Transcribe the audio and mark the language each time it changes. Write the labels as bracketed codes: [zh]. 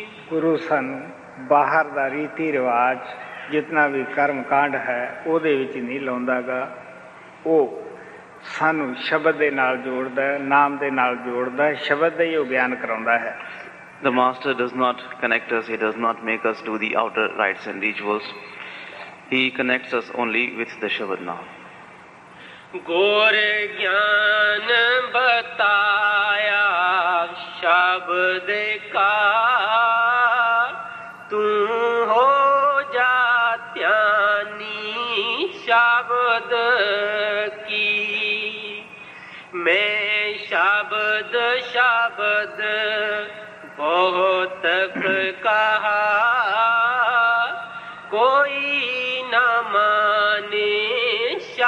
[pa] ਗੁਰੂ ਸਾਨੂੰ ਬਾਹਰ ਦਾ ਰੀਤੀ ਰਿਵਾਜ ਜਿਤਨਾ ਵੀ ਕਰਮ ਕਾਂਡ ਹੈ ਉਹਦੇ ਵਿੱਚ ਨਹੀਂ ਲਾਉਂਦਾ ਗਾ ਉਹ ਸਾਨੂੰ ਸ਼ਬਦ ਦੇ ਨਾਲ ਜੋੜਦਾ ਨਾਮ ਦੇ ਨਾਲ ਜੋੜਦਾ ਸ਼ਬਦ ਦਾ ਹੀ ਉਹ ਬਿਆਨ ਕਰਾਉਂਦਾ ਹੈ [en] The master does not connect us, he does not make us do the outer rites and rituals. He connects us only with the Shabad Naam. [pa] ਗੁਰ ਗਿਆਨ ਬਤਾਇਆ ਸ਼ਬਦ ਕਾ ਤੂੰ ਹੋ ਜਾ ਧਿਆਨੀ ਸ਼ਬਦ ਕੀ ਮੈਂ ਸ਼ਬਦ ਸ਼ਬਦ ਬਹੁਤ ਕਹਾ ਕੋਈ ਨਾ ਮਾਨੇ